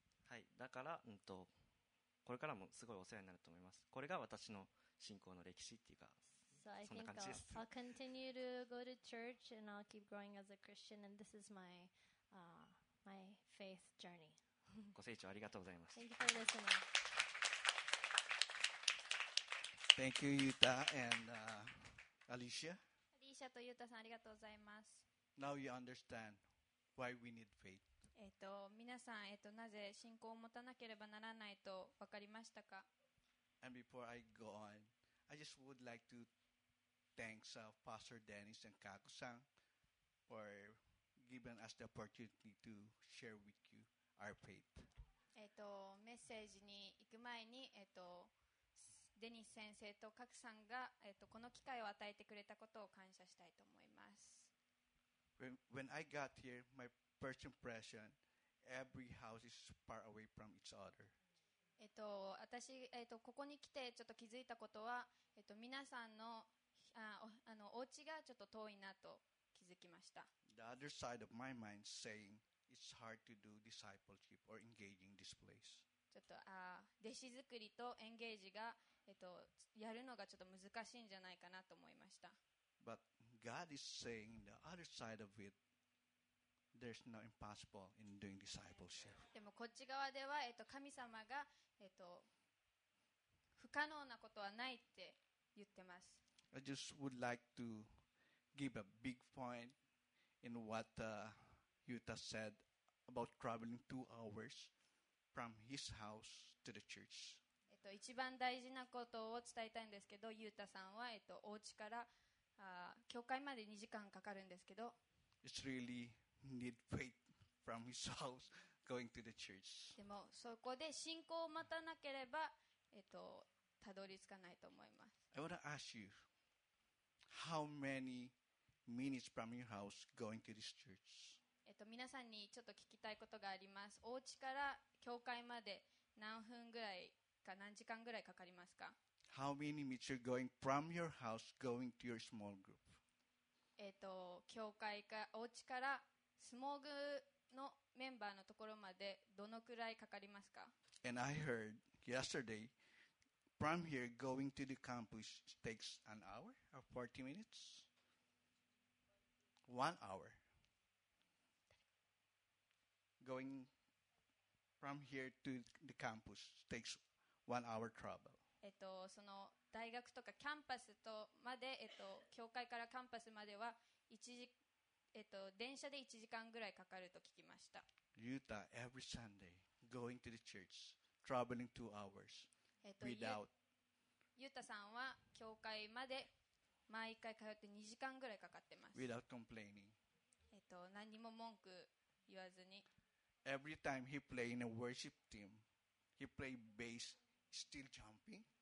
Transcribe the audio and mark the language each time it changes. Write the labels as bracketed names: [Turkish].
[Japanese] はい、だから、これからもすごいお世話になると思います。これが私の信仰の歴史っていうか、 [English] So I think I'll continue to go to church and I'll keep growing as a Christian and this is my, my faith journey. [Japanese] ご清聴ありがとうございます。 [English] Thank you for listening. Thank you, Yuta and Alicia. [Japanese] Alicia と Yuta さんありがとうございます。 [English] Now you understand why we need faith. [Japanese] 皆さん、なぜ信仰を持たなければならないと分かりましたか？ [English] And before I go on, I just would like toThanks, Pastor Dennis and Kako-san for giving us the opportunity to share with you our faith. [Japanese] メッセージに行く前に、デニス先生とカクさんが、この機会を与えてくれたことを感謝したいと思います。 [English] When I got here, my first impression, every house is far away from each other. [Japanese] 私、ここに来てちょっと気づいたことは、皆さんのお家がちょっと遠いなと気づきました。 [English] The other side of my mind saying it's hard to do discipleship or engaging this place. [Japanese] ちょっと弟子作りとエンゲージが、やるのがちょっと難しいんじゃないかなと思いました。 [English] But God is saying the other side of it, there's no impossible in doing discipleship. [Japanese] でもこっち側では、神様が、不可能なことはないって言ってます。 [English] I just would like to give a big point in what Yuta said about traveling 2 hours from his house to the church. [Japanese] 一番大事なことを伝えたいんですけど、ユタさんは、お家から教会まで2時間かかるんですけど。 [English] It's really need faith from his house going to the church. [Japanese] でもそこで信仰を待たなければ、たどり着かないと思います。 [English] I want to ask you. How many minutes from your house going to this church? [Japanese] 皆さんにちょっと聞きたいことがあります。お家から教会まで何分ぐらいか何時間ぐらいかかりますか？ [English] How many minutes are going from your house going to your small group? [Japanese] 教会かお家からスモーグのメンバーのところまでどのくらいかかりますか？ [English] And I heard yesterday from here going to the campus takes an hour or 40 minutes? One hour. Going from here to the campus takes 1 hour travel. [Japanese] その大学とかキャンパスとまで、教会からキャンパスまでは電車で1時間ぐらいかかると聞きました。 [English] Yuta, every Sunday, going to the church, traveling 2 hours without. [Japanese] Yuta さんは教会まで毎回通って2時間ぐらいかかってます。 [English] Without complaining. [Japanese] 何にも文句言わずに。 [English] Every time he play in a worship team, he play bass, still jumping.